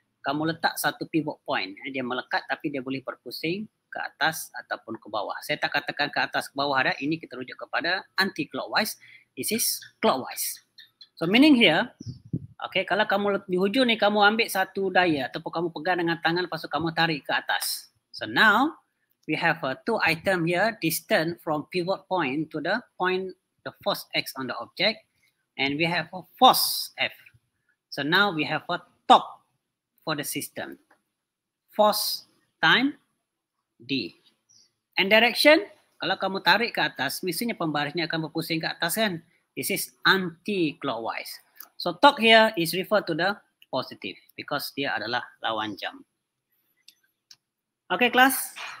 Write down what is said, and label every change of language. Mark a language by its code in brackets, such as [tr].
[ms] Kamu letak satu pivot point. Dia melekat tapi dia boleh berpusing ke atas ataupun ke bawah. Saya tak katakan ke atas ke bawah dah. Ini kita rujuk kepada anti-clockwise. [en] This is clockwise. So, meaning here, okay, [ms] kalau kamu di hujung ni kamu ambil satu daya ataupun kamu pegang dengan tangan lepas tu kamu tarik ke atas. [en] So, now, we have two item here, distance from pivot point to the point, the force X on the object. And we have a force F. So now we have a torque for the system. Force time D. And direction, [ms] kalau kamu tarik ke atas, misalnya pembarisnya akan berpusing ke atas kan? [en] This is anti-clockwise. So torque here is referred to the positive because [ms] dia adalah lawan jam. [en] Okay, class.